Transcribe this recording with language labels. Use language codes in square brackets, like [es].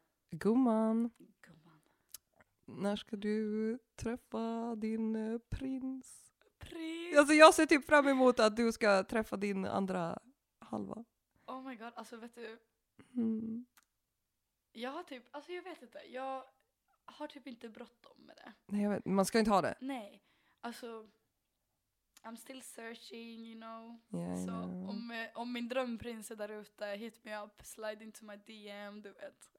[sv] Gumman, när ska du träffa din prins? Alltså jag ser typ fram emot att du ska träffa din andra halva. [en] Oh my god, [sv] alltså vet du, jag har typ, alltså jag vet inte, jag har typ inte bråttom med det. Nej, jag vet, man ska inte ha det. Nej, alltså [en] I'm still searching, you know. Yeah, så know. [sv] Om min drömprins är där ute, [en] hit me up, slide into my DM, [sv] du vet.